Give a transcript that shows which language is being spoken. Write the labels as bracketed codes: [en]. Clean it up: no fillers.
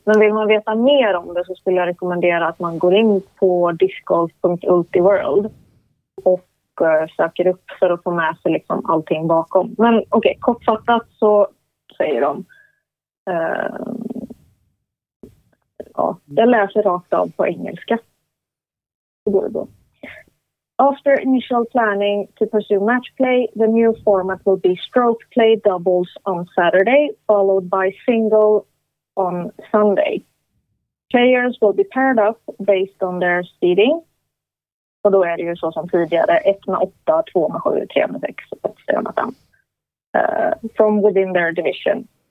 [sv] Men vill man veta mer om det så skulle jag rekommendera att man går in på discgolf.ultiworld och söker upp för att få med sig liksom allting bakom. Men okej, kortfattat så säger de... ja, den läser rakt av på engelska. Det går då. [en] After initial planning to pursue match play, the new format will be stroke play doubles on Saturday, followed by single on Sunday. Players will be paired up based on their seeding. [sv] Och då är det ju så som tidigare, 1-8, 2-7, 3-6, [en] from within their division.